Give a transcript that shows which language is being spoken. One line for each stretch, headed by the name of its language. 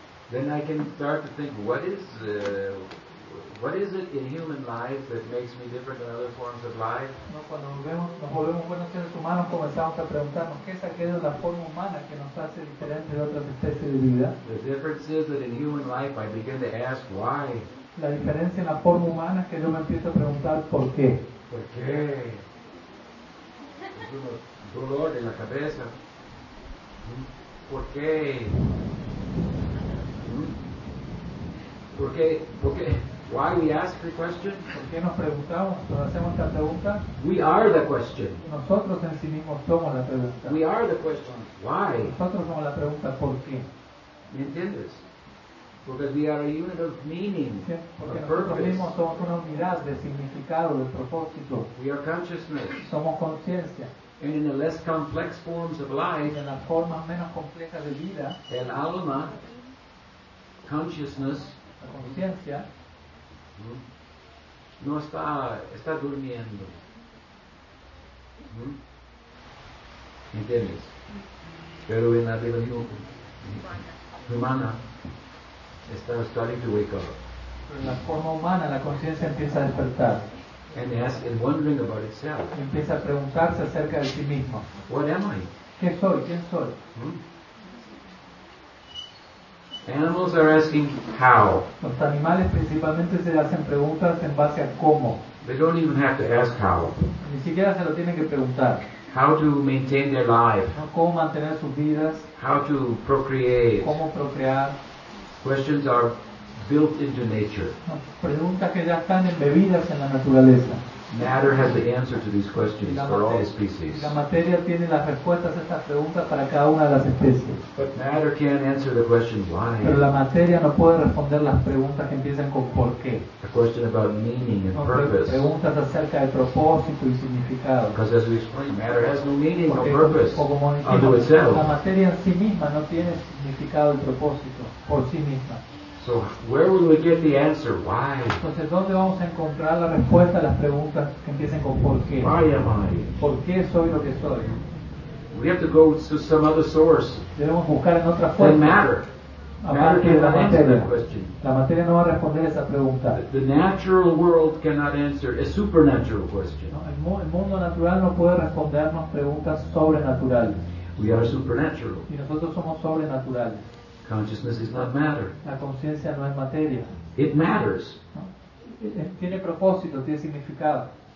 English: Then I can start to think, what is it in human life that makes me different than other forms of life?
Spanish: No, cuando nos volvemos buenos seres humanos, comenzamos a preguntarnos qué es aquello de la forma humana que nos hace diferente de otras especies de vida.
English: The difference is that in human life, I begin to ask why.
Spanish: La diferencia en la forma humana es que yo me empiezo a preguntar por qué. Por qué. Es un dolor en la cabeza. Por qué. Porque,
English: why we ask the question?
Spanish: ¿Por qué nos preguntamos? ¿Nos hacemos esta pregunta?
English: We are the question.
Spanish: Nosotros en sí mismos somos la pregunta.
English: We are the question. Why?
Spanish: Nosotros somos la pregunta ¿por qué? ¿Me entiendes?
English: Because we are a unit of meaning.
Spanish: ¿Sí? Porque nosotros mismos somos una unidad de significado, de propósito.
English: We are consciousness.
Spanish: Somos conciencia.
English: And in the less complex forms of life,
Spanish: en las formas menos complejas de vida, el alma,
English: consciousness,
Spanish: la conciencia, no está durmiendo. ¿Entiendes? Pero en la vida humana está
English: starting to wake up.
Spanish: En la forma humana la conciencia empieza a despertar.
English: And ask and wondering about itself.
Spanish: Y empieza a preguntarse acerca de sí mismo.
English: What am I?
Spanish: ¿Qué soy? ¿Quién soy?
English: Animals are asking how.
Spanish: Los animales principalmente se hacen preguntas en base a cómo.
English: They don't even have to ask how.
Spanish: Ni siquiera se lo tienen que preguntar.
English: How to maintain their life.
Spanish: Cómo mantener sus vidas.
English: How to procreate.
Spanish: Cómo procrear.
English: Questions are built into nature.
Spanish: Preguntas que ya están embebidas en la naturaleza.
English: Matter has the answer to these questions for all the species.
Spanish: La materia tiene las respuestas a estas preguntas para cada una de las especies.
English: But matter can't answer the question why.
Spanish: Pero la materia no puede responder las preguntas que empiezan con por qué.
English: A question about meaning and purpose.
Spanish: Preguntas acerca de propósito y significado.
English: Because as we explained, matter has no meaning or purpose unto itself.
Spanish: La materia en sí misma no tiene significado y propósito por sí misma.
English: So where will we get the answer? Why?
Spanish: Entonces, ¿dónde vamos a encontrar la respuesta a las preguntas que empiecen con por qué?
English: Why am I?
Spanish: ¿Por qué soy lo que soy?
English: We have to go to some other source.
Spanish: Debemos buscar en otra fuente.
English: Then matter. Matter cannot answer that question.
Spanish: La materia no va a responder esa pregunta.
English: The natural world cannot answer a supernatural question.
Spanish: No, el mundo natural no puede respondernos preguntas sobrenaturales.
English: We are supernatural.
Spanish: Y nosotros somos sobrenaturales.
English: Consciousness is not matter.
Spanish: La conciencia no es materia.
English: It matters.
Spanish: Tiene propósito, tiene significado.